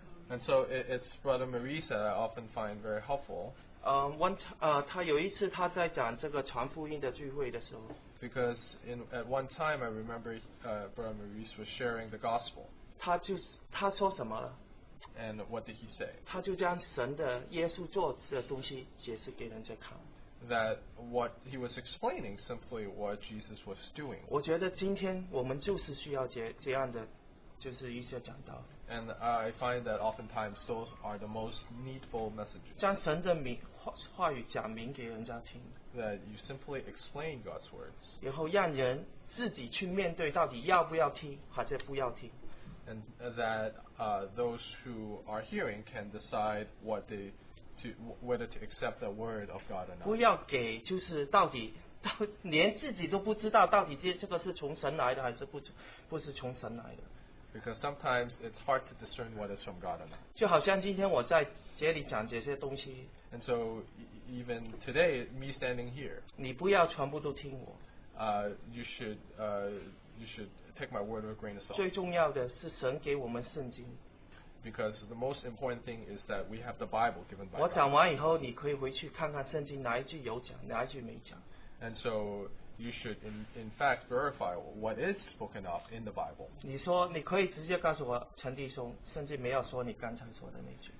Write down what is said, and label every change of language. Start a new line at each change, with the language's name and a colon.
English: And so it's brother Maurice that I often find very helpful.
Chinese: He 有一次他在讲这个传福音的聚会的时候。
English: Because at one time I remember brother Maurice was sharing the gospel.
Chinese: 他说什么了？
English: And what did he say?
Chinese: 他就将神的耶稣做的东西解释给人家看。
English: That what he was explaining simply what Jesus was doing.
Chinese: 我觉得今天我们就是需要这样的就是一些讲道。
English: And I find that oftentimes those are the most needful messages.
Chinese: 将神的话语讲明给人家听。
English: That you simply explain God's words.
Chinese: 然后让人自己去面对到底要不要听还是不要听。
English: And that those who are hearing can decide what they to whether to accept the word of God or not.
Chinese: 不要给就是到连自己都不知道到底这个是从神来的还是不是从神来的。
English: Because sometimes it's hard to discern what is from God or not.
Chinese: 就好像今天我在这里讲这些东西。
English: And so even today, me standing here.
Chinese: 你不要全部都听我。
English: You should take my word with a grain of salt.
Chinese: 最重要的是神给我们圣经。
English: Because the most important thing is that we have the Bible given by God.
Chinese: 我讲完以后，你可以回去看看圣经哪一句有讲，哪一句没讲。
English: And so you should in fact verify what is spoken of in the Bible.
Chinese: 你说你可以直接告诉我陈弟兄，甚至没有说你刚才说的那句。